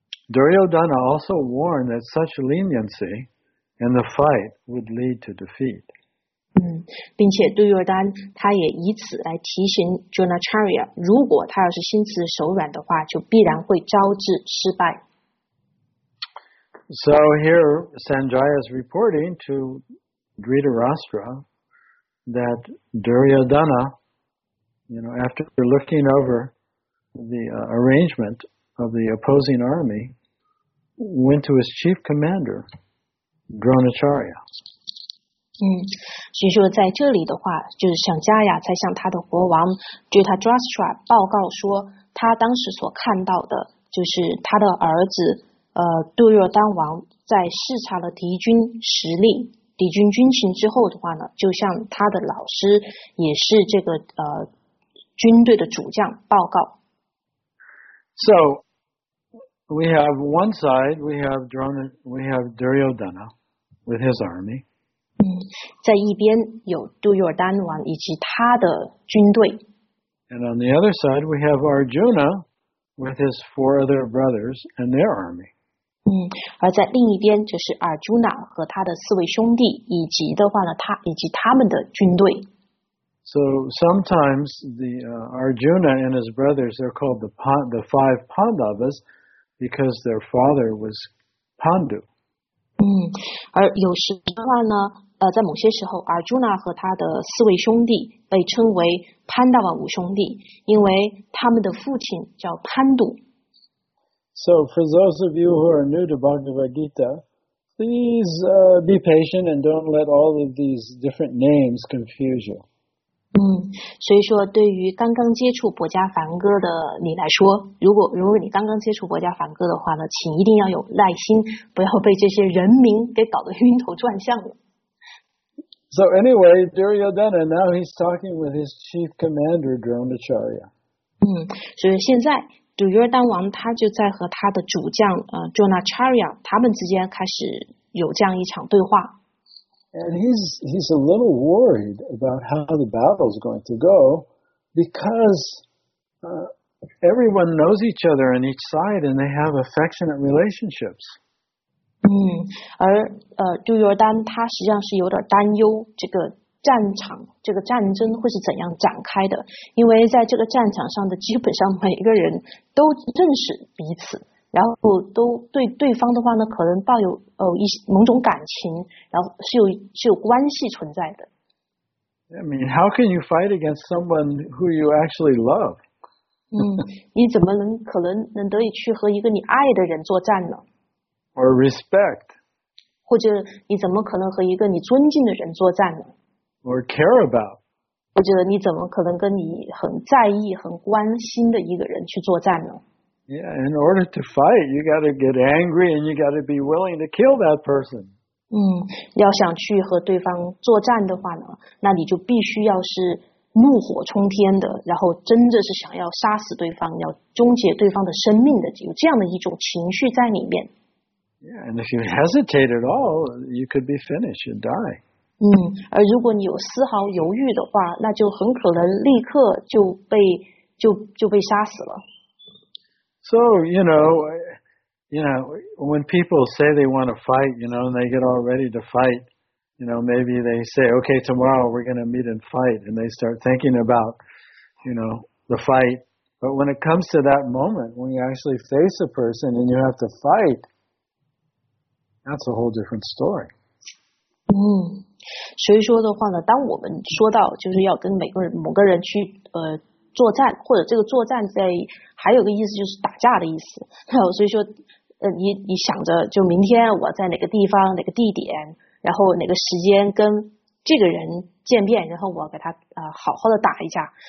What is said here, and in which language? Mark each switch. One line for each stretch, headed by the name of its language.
English: Duryodhana also warned that such leniency in the fight would lead to defeat.
Chinese: 并且 Duryodhana 他也以此来提醒 Dronacharya， 如果他要是心慈手软的话，就必然会招致失败。
English: So here, Sanjaya is reporting to Dhritarashtra that Duryodhana, you know, after looking over the arrangement of the opposing army, went to his chief commander, Dronacharya.
Chinese: 所以说在这里的话，就是Sanjaya在向他的国王Dhritarashtra报告说，他当时所看到的就是他的儿子杜若丹王在视察了敌军实力、敌军军情之后的话呢，就向他的老师，也是这个军队的主将报告。
English: So we have one side, we have Duryodhana with his army.
Chinese: 在一边有杜若丹王以及他的军队。
English: And on the other side, we have Arjuna with his four other brothers and their army.
Chinese: 而在另一边就是 Arjuna 和他的四位兄弟以及的话呢他以及他们的军队。
English: So sometimes the Arjuna and his brothers are called the five Pandavas because their father was Pandu.
Chinese: 而有时的话呢在某些时候 Arjuna 和他的四位兄弟被称为 Pandava 五兄弟，因为他们的父亲叫 Pandu。
English: So for those of you who are new to Bhagavad Gita, please be patient and don't let all of these different names confuse you.
Chinese: 所以说对于刚刚接触博伽梵歌的你来说，如果你刚刚接触博伽梵歌的话呢，请一定要有耐心，不要被这些人名给搞得晕头转向了。
English: So anyway, Duryodhana, now he's talking with his chief commander, Dronacharya.
Chinese: 所以现在主约丹王他就在和他的主将Dronacharya 他们之间开始有这样一场对话。
English: And he's a little worried about how the battle's going to go because everyone knows each other on each side and they have affectionate relationships.
Chinese: 而主约丹他实际上是有点担忧这个战场这个战争会是怎样展开的，因为在这个战场上的基本上每一个人都认识彼此，然后都对对方的话呢可能抱有一些某种感情，然后是有关系存在的。
English: I mean, how can you fight against someone who you actually love?
Chinese: 你怎么可能能得以去和一个你爱的人作战呢？
English: Or respect.
Chinese: 或者你怎么可能和一个你尊敬的人作战呢？
English: Or care about.
Chinese: 我觉得你怎么可能跟你很在意、很关心的一个人去作战呢？
English: Yeah, in order to fight, you got to get angry and you got to be willing to kill that person.
Chinese: 要想去和对方作战的话呢，那你就必须要是怒火冲天的，然后真的是想要杀死对方，要终结对方的生命的，有这样的一种情绪在里面。
English: Yeah, and if you hesitate at all, you could be finished and die.
Chinese: 而如果你有丝毫犹豫的话，那就很可能立刻就被杀死了。
English: So, you know, when people say they want to fight, you know, and they get all ready to fight, you know, maybe they say, okay, tomorrow we're going to meet and fight, and they start thinking about, you know, the fight. But when it comes to that moment, when you actually face a person and you have to fight,That's a whole different story.
Chinese: 所以说的话呢，当我们说到就是要跟每个人某个人去作战，或者这个作战在还有个意思就是打架的意思。所以说，你想着就明天我在哪个地方、哪个地点，然后哪个时间跟这个人见面，然后我给他好好的打一架。